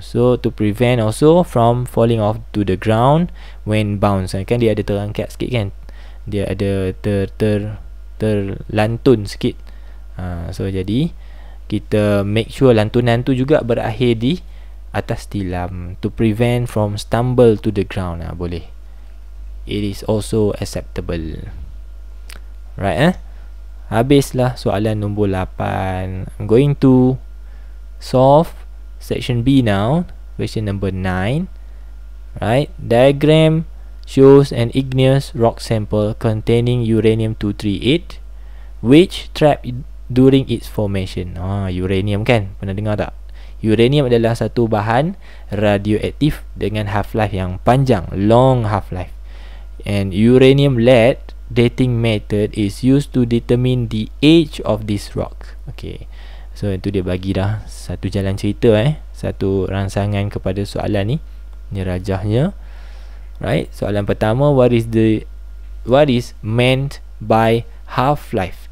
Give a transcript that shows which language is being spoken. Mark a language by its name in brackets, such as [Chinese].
[English] So to prevent also from falling off to the ground when bounce. [Malay] Kan dia ada terangkat sikit kan, dia ada terlantun sikit. So jadi kita make sure lantunan tu juga berakhir di atas tilam, [English] to prevent from stumble to the ground. [Malay] Boleh. [English] It is also acceptable. Right, [Malay] habislah soalan nombor 8. [English] I'm going to solve section B now. Question number 9. Right? Diagram shows an igneous rock sample containing uranium-238 which trapped during its formation. [Malay] Ah, uranium kan? Pernah dengar tak? Uranium adalah satu bahan radioaktif dengan half-life yang panjang, [English] long half-life. And uranium lead dating method is used to determine the age of this rock. [Malay] Okay. So itu dia bagi dah satu jalan cerita eh, satu rangsangan kepada soalan ni. Ni rajahnya. Right? Soalan pertama, [English] what is meant by half-life?